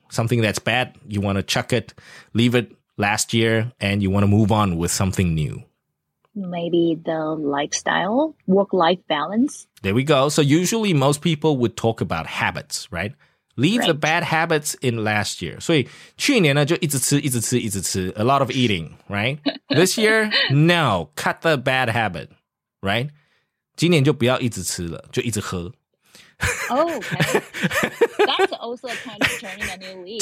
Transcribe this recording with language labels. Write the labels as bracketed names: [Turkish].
[English] Something that's bad, you want to chuck it, leave it last year, and you want to move on with something new? Maybe the lifestyle, work-life balance. There we go. So usually most people would talk about habits, right? Leave right. the bad habits in last year. [Chinese] 所以去年呢就一直吃一直吃一直吃 [English] a lot of eating, right? This year, no, cut the bad habit, right? [Chinese] 今年就不要一直吃了，就一直喝。 [English] Oh, okay. That's also kind of turning a new leaf.